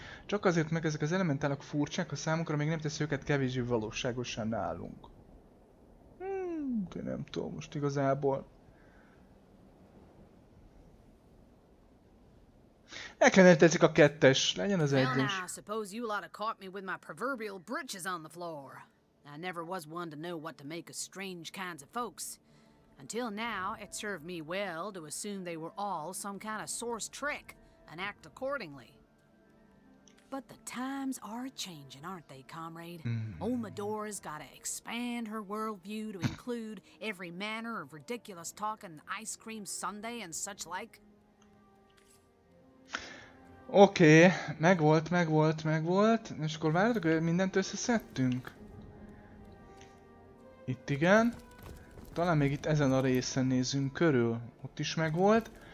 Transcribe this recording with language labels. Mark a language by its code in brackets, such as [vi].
[hu] Csak azért, mert ezek az elementálok furcsák a számunkra, még nem tesz őket kevésbé valóságosan nálunk. De nem tudom most igazából. Nekem nem tetszik a kettes, legyen az egyes. [en] Now, I suppose you lot have caught me with my proverbial britches on the floor. I never was one to know what to make of strange kinds of folks. Until now, it served me well to assume they were all some kind of source trick and act accordingly. But the times are changing, aren't they, comrade? Mm. Old Medora's gotta expand her worldview to include every manner of ridiculous talking ice cream sundae and such like. [hu] Okay, megvolt, megvolt, megvolt. És akkor várjátok, hogy mindent összeszedtünk. Itt igen. Talán még itt ezen a részen nézünk körül. Ott is megvolt.